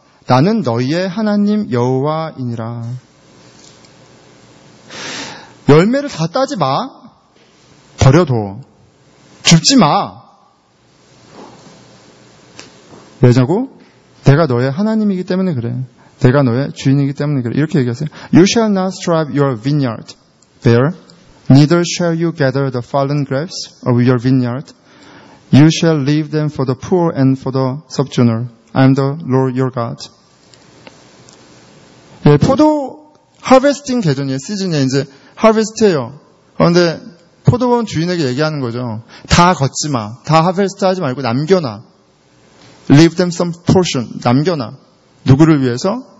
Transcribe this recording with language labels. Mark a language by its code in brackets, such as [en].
[ko] 나는 너희의 하나님 여호와이니라. 열매를 다 따지 마. 버려둬. 줍지 마. 왜냐고? 내가 너의 하나님이기 때문에 그래. 내가 너의 주인이기 때문에 그래. 이렇게 얘기하세요. [en] You shall not strive your vineyard there, neither shall you gather the fallen grapes of your vineyard. You shall leave them for the poor and for the sojourner. I am the Lord your God. [ko] 예, 포도 하베스팅 계절이에요. 시즌에 이제 하베스트해요. 그런데 포도원 주인에게 얘기하는 거죠. 다 걷지 마. 다 하베스트 하지 말고 남겨놔. [en] Leave them some portion. [ko] 남겨놔. 누구를 위해서?